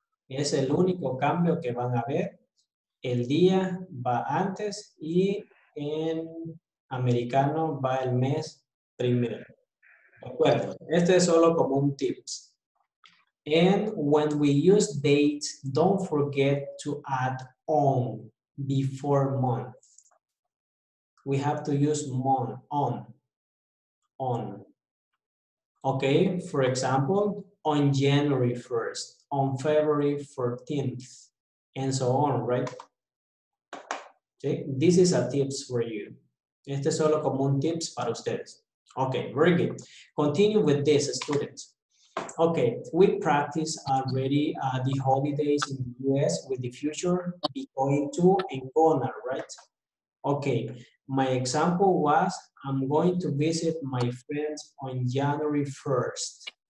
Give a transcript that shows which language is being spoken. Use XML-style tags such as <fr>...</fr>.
<es>Es el único cambio que van a ver. El día va antes y en americano va el mes primero. De acuerdo. Este es solo como un tips.</es> <en>And when we use dates, don't forget to add on before month. We have to use on. Okay, for example, on January 1st, on February 14th, and so on, right? Okay, this is a tips for you.</en> <es>Este es solo como un tips para ustedes.</es> <en>Okay, very good. Continue with this, students. Okay, we practice already the holidays in the US with the future, be going to and gonna, right? Okay, my example was, I'm going to visit my friends on January 1st.</en>